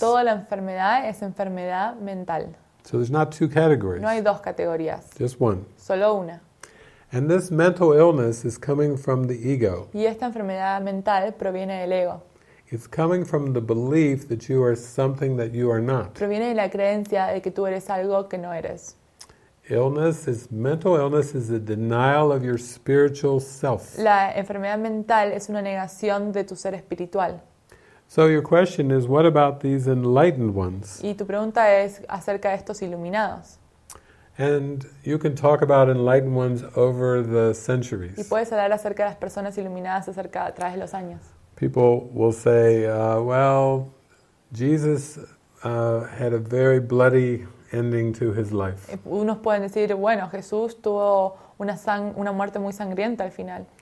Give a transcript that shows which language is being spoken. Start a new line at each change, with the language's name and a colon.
Spanish: Toda la enfermedad es enfermedad mental.
English: So there's not two categories.
Spanish: No hay dos categorías.
English: Just one.
Spanish: Solo una.
English: And this mental illness is coming from the ego.
Spanish: Y esta enfermedad mental proviene del ego.
English: It's coming from the belief that you are something that you are not.
Spanish: Proviene de la creencia de que tú eres algo que no eres.
English: Illness is mental illness is a denial of your spiritual self.
Spanish: La enfermedad mental es una negación de tu ser espiritual.
English: So your question is, what about these enlightened ones?
Spanish: Y tu pregunta es acerca de estos iluminados.
English: And you can talk about enlightened ones over the centuries.
Spanish: Y puedes hablar acerca de las personas iluminadas acerca a través de los años.
English: people will say, well, Jesus had a very bloody ending to his life.
Spanish: Unos pueden decir, bueno, Jesús tuvo una muerte muy sangrienta al final.